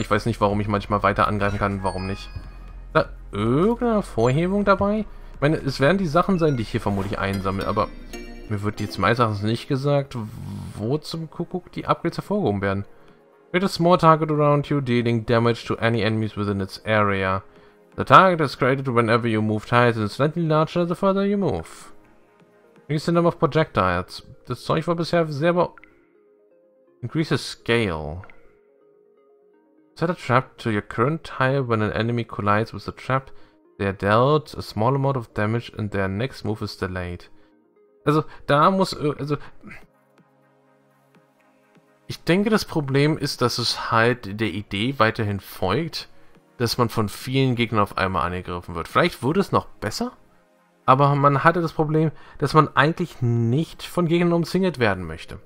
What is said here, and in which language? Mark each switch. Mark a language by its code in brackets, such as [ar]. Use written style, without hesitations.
[de] Ich weiß nicht, warum ich manchmal weiter angreifen kann und warum nicht. Ist da irgendeine Hervorhebung dabei? Ich meine, es werden die Sachen sein, die ich hier vermutlich einsammle, aber mir wird jetzt meistens nicht gesagt, wo zum Kuckuck die Upgrades hervorgehoben werden. [en] Create a small target around you, dealing damage to any enemies within its area. The target is created whenever you move tiles and slightly larger the further you move. Increase the number of projectiles. [de] Das Zeug war bisher sehr aber... [en] Increase the scale. Set a trap to your current tile when an enemy collides with the trap. They are dealt a small amount of damage and their next move is delayed. [de] Also, da muss... Also... Ich denke, das Problem ist, dass es halt der Idee weiterhin folgt, dass man von vielen Gegnern auf einmal angegriffen wird. Vielleicht wurde es noch besser, aber man hatte das Problem, dass man eigentlich nicht von Gegnern umzingelt werden möchte.